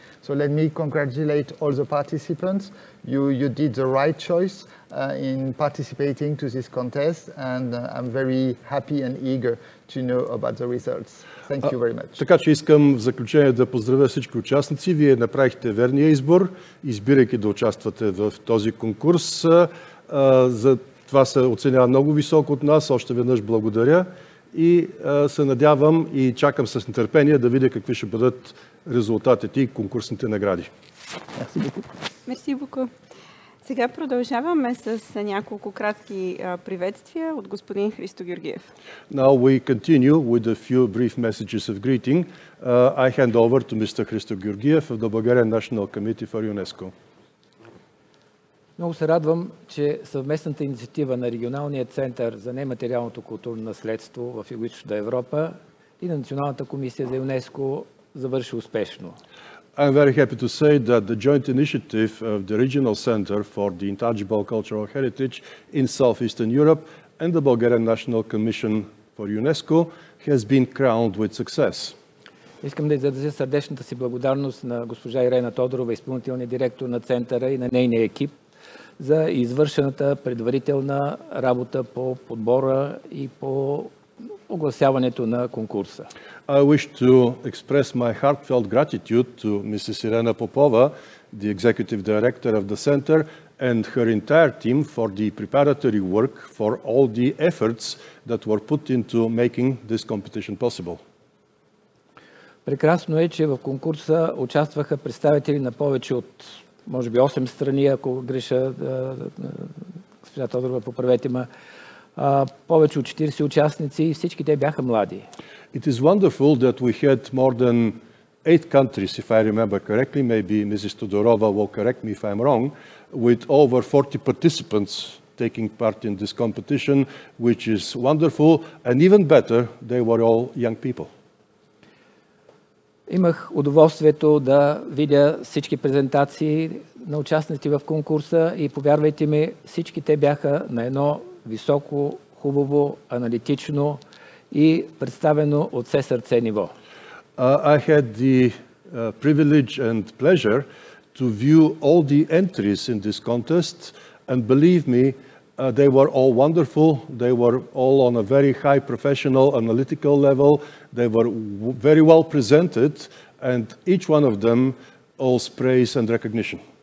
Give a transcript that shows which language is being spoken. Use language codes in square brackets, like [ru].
[en] So let me congratulate all the participants. You did the right choice in participating to this contest and I'm very happy and eager to know about the results. Thank you very much. [bg] Така че искам в заключение да поздравя всички участници. Вие направихте верния избор, избирайки да участвате в този конкурс. За това се оценява много високо от нас. Още веднъж благодаря и се надявам и чакам с нетърпение да видя какви ще бъдат резултатите и конкурсните награди. [fr] Мерси Буко. [bg] Сега продължаваме с няколко кратки приветствия от господин Христо Георгиев. [en] Now we continue with a few brief messages of greeting. I hand over to Mr. Христо Георгиев of the Bulgarian National Committee for UNESCO. [bg] Много се радвам, че съвместната инициатива на Регионалния център за нематериалното културно наследство в Югоизточна Европа и на Националната комисия за ЮНЕСКО завърши успешно. [en] I'm very happy to say that the joint initiative of the Regional Center for the Intangible Cultural Heritage in Southeastern Europe and the Bulgarian National Commission for UNESCO has been crowned with success. [bg] Искам да изразя сърдечната си благодарност на госпожа Ирена Тодорова, изпълнителния директор на центъра и на нейния екип за извършената предварителна работа по подбора и по огласяването на конкурса. [en] I wish to express my heartfelt gratitude to Mrs. Irena Popova, the executive director of the center, and her entire team for the preparatory work, for all the efforts that were put into making this competition possible. [bg] Прекрасно е, че в конкурса участваха представители на повече от, може би, 8 страни, ако греша, госпожа Тодорова, поправете ме, повече от 40 участници и всички те бяха млади. [en] It is wonderful that we had more than 8 countries, if I remember correctly, maybe Mrs. Todorova will correct me if I'm wrong, with over 40 participants taking part in this competition, which is wonderful, and even better, they were all young people. [bg] Имах удоволствието да видя всички презентации на участници в конкурса и повярвайте ми, всички те бяха на едно високо, хубаво, аналитично и представено от все сърце ниво. [en] I had the privilege and pleasure to view all the entries in this contest and believe me, they were all wonderful, they were all on a very high professional analytical level, they were very well presented and each one of them owes praise and recognition.